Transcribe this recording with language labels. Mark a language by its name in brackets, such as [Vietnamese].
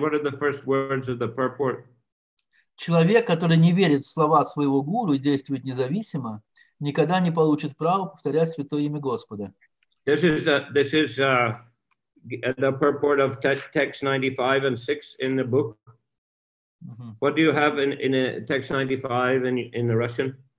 [English] What are the first words of the purport? [Russian] Человек, который не верит в слова своего гуру и действует независимо, никогда не получит право повторять святое имя Господа. [English] This is the purport of text 95 and 6 in the book. Mm-hmm. What do you have in a text 95 in the Russian?